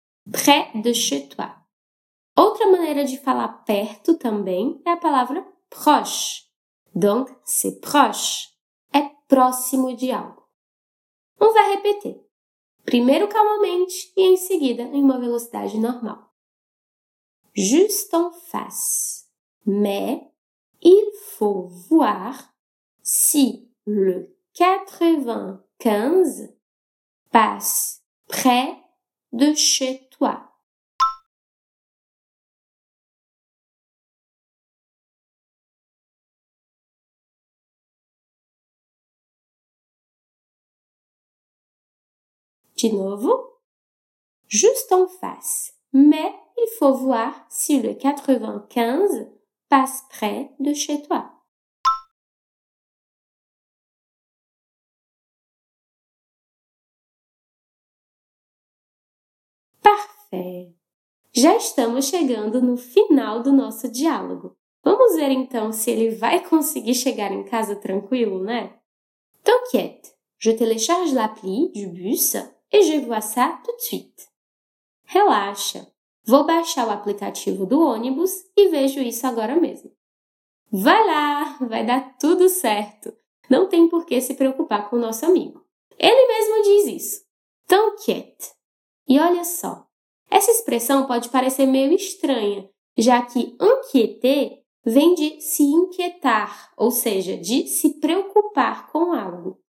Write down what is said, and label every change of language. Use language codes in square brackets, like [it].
[fr] Près de chez toi. [pt] Outra maneira de falar perto também é a palavra proche. [fr] Donc, c'est proche. [pt] É próximo de algo. [fr] On va répéter. [pt] Primeiro calmamente e em seguida em uma velocidade normal. [fr] Juste en face. Mais il faut voir si le 95 passe près de chez toi. [pt] De novo, [fr] juste en face, mais il faut voir si le 95 passe près de chez toi. Parfait! [pt] Já estamos chegando no final do nosso diálogo. Vamos ver então se ele vai conseguir chegar em casa tranquilo, né? [fr] T'inquiète, je télécharge l'appli du bus. Et je vois ça tout de suite. [pt] Relaxa. Vou baixar o aplicativo do ônibus e vejo isso agora mesmo. Vai lá, vai dar tudo certo. Não tem por que se preocupar com o nosso amigo. Ele mesmo diz isso. [fr] T'inquiète. [pt] E olha só. Essa expressão pode parecer meio estranha, já que inquiéter vem de se inquietar, ou seja, de se preocupar com algo.